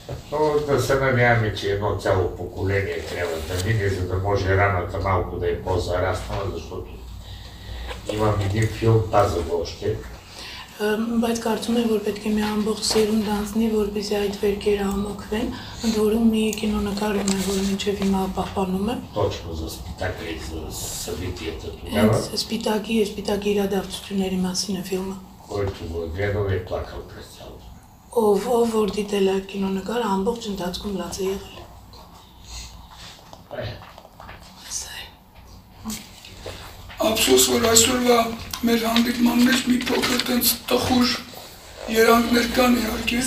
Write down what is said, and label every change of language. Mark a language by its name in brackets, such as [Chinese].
[Bulgarian] То да се надяваме, че едно цяло поколение трябва да мине, за да може раната малко да е по-зарастнала, защото имам един филм тази още. [Armenian] Բայց կարծում եմ, որ պետք է մի ամբողջ սերում դանձնի, որպեսզի այդ վերկերը ամոքվեն, ընդ որում մի կինոնկար ունեմ, որ մինչև հիմա պահպանում եմ։ [Bulgarian] Точно за спитаки и за събития тогава. Спитаки и спитаки [Armenian] իրադարձությունների մասին է ֆիլմը. [Bulgarian] Който го гледал и плакал през цялото. [Armenian] Ով որ դիտել է կինոնկարը, ամբողջ ընթացքում լաց է եղել։ Ափսոս, որ այսօրվա մեր հանդիպման մեջ մի փոքր տենց տխուր երանգներ կան իհարկե։